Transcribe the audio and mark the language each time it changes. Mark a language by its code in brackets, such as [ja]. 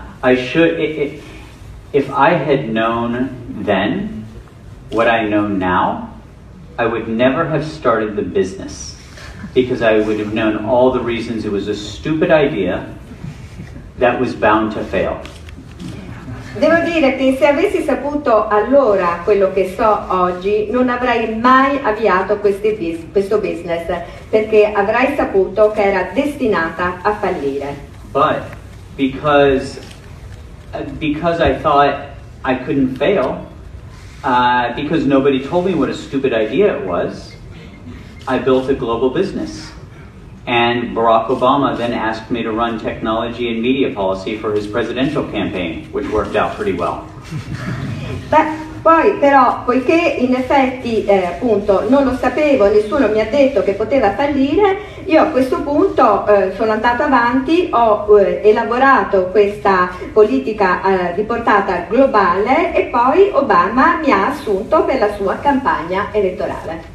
[en] If I had known then what I know now, I would never have started the business, because I would have known all the reasons it was a stupid idea that was bound to fail. [it] Devo dire che se avessi saputo allora quello che so oggi, non avrei mai avviato questo business, perché avrei saputo che era destinata a fallire. [en] But because I thought I couldn't fail, because nobody told me what a stupid idea it was, I built a global business. And Barack Obama then asked me to run technology and media policy for his presidential campaign, which worked out pretty well. [it] Beh, poi però, poiché in effetti, appunto, non lo sapevo, nessuno mi ha detto che poteva fallire, io a questo punto sono andato avanti, ho elaborato questa politica di portata globale e poi Obama mi ha assunto per la sua campagna elettorale.